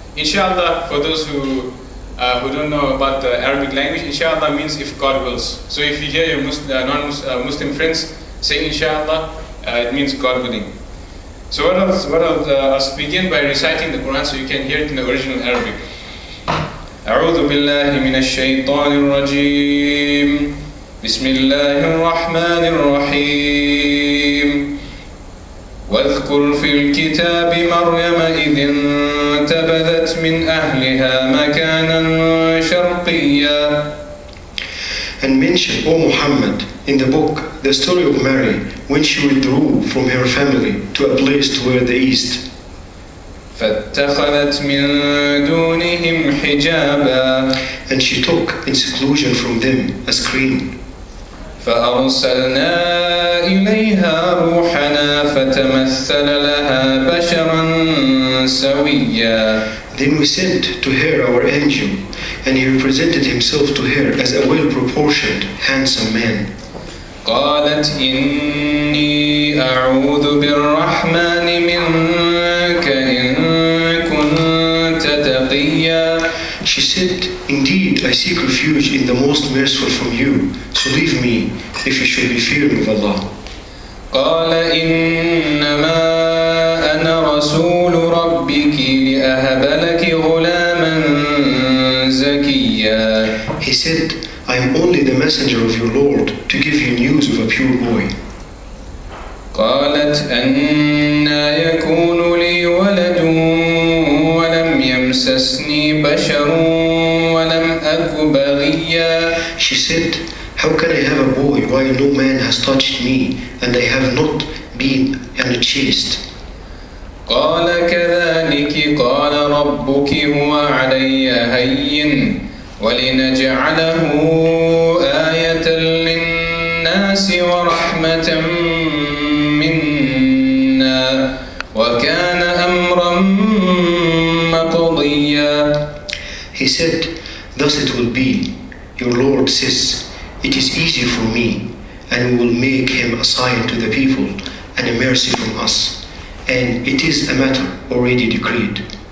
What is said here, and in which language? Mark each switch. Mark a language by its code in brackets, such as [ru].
[en] Inshallah, for those who don't know about the Arabic language, inshallah means if God wills. So if you hear your non-Muslim friends saying inshallah, it means God willing. So I'll begin by reciting the Quran so you can hear it in the original Arabic. [ar] أعوذ بالله من الشيطان الرجيم بسم الله الرحمن الرحيم واذكر في الكتاب مريم إذ انتبذت من أهلها مكانا شرقيا [en] And mention, O Muhammad, in the book the story of Mary when she withdrew from her family to a place toward the east. [ar] فاتخذت من دونهم حجابا. [en] And she took in seclusion from them a screen. [ar] فأرسلنا إليها روحنا فتمثل لها بشرا سويا. [en] Then we sent to her our angel, and he represented himself to her as a well-proportioned, handsome man. [ar] قالت إني أعوذ بالرحمن منك إن كنت تقيا. [en] She said, indeed, I seek refuge in the most merciful from you, so leave me if you should be fearing of Allah. [ar] قال إنما أنا رسول ربك لأهب لك غلاما زكيا. [en] He said, I am only the messenger of your Lord to give you news of a pure boy. [ar] قالت أنى يكون لي ولد ولم يمسسني بشر ولم أك بغيا. [en] She said, how can I have a boy while no man has touched me and I have not been unchaste? [ar] قال كذلك قال ربك هو علي هين ولنجعله آية للناس ورحمة منا وكان أمرا مقضيا. [en] He said, thus it will be, your Lord says, it is easy for me, and we will make him a sign to the people and a mercy from us, and it is a matter already decreed.